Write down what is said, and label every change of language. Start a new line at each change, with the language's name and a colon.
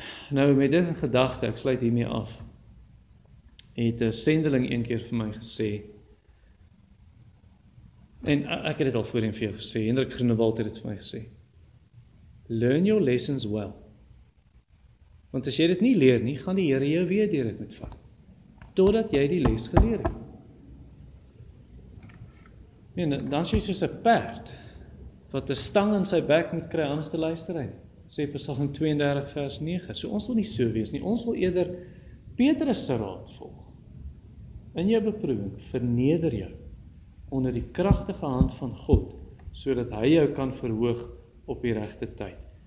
Afrikaans: Nou, met dit in gedagte, ek sluit hiermee af, het 'n sendeling een keer vir my gesê, en ek het dit al voorheen vir jou gesê, Hendrik Groenewald het dit vir my gesê,
English: learn your lessons well.
Afrikaans: Want as jy dit nie leer nie, gaan die Here jou weer deur dit moet vat. Totdat jy die les geleer het. En dan is jy soos 'n perd, wat 'n stang in sy bek moet kry, anders te luister hy. Sê Psalm 32 vers 9. So ons wil nie so wees nie, ons wil eerder Petrus se raad volg. In jou beproeving, verneder jou, onder die kragtige hand van God, sodat hy jou kan verhoog op die regte tyd.